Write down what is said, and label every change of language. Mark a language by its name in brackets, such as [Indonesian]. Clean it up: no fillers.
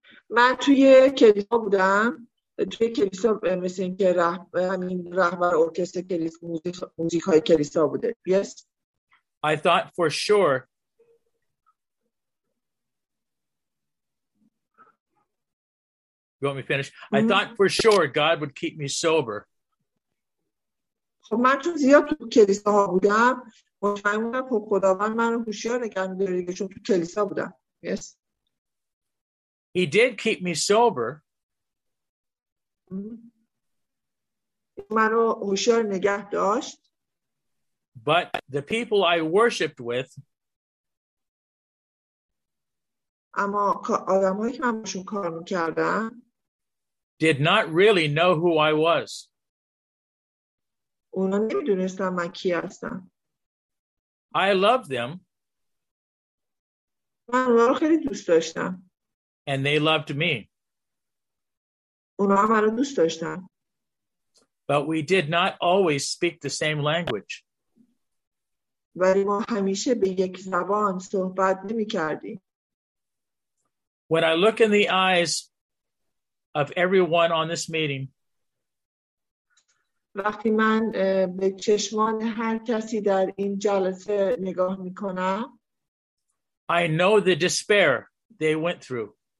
[Persian] من توی کلیسا بودم، توی کلیسا مثل اینکه همین رهبر ارکستر کلیسا موزیکای کلیسا بوده. [English] Yes. I thought for sure you want me to finish? Mm-hmm. I thought for sure God would keep me sober. [Persian] من چون زیاد تو کلیسا بودم مطمئن بودم که خداوند من رو هوشیار نگه می‌داره چون تو کلیسا بودم. [English] Yes. He did keep me sober. [Persian] من رو هوشیار نگه داشت. [English] But the people I worshipped with, [Persian] اما آدمایی که من باشون کار می‌کردم [English] did not really know who I was. [Persian] اونا نمی‌دونستن من کی هستم. [English] I loved them. [Persian] من اونا رو خیلی دوست داشتم. [English] And they loved me. [Persian] اونا هم رو دوست داشتن. [English] But we did not always speak the same language. [Persian] ولی ما همیشه به یک زبان صحبت نمی‌کردیم. [English] When I look in the eyes of everyone on this meeting, [Persian] وقتی من به چشمان هر کسی در این جلسه نگاه میکنم, [English] I know the despair they went through.